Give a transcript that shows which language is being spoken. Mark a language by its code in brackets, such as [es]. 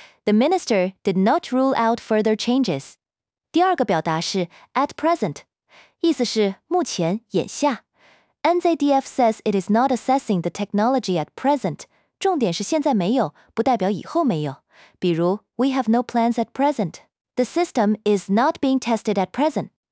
[en] The minister did not rule out further changes. [zh] 第二个表达是 [en] at present， [zh] 意思是目前、眼下。 [en] NZDF says it is not assessing the technology at present. [zh] 重点是现在没有，不代表以后没有。比如 [en] ，We have no plans at present. The system is not being tested at present.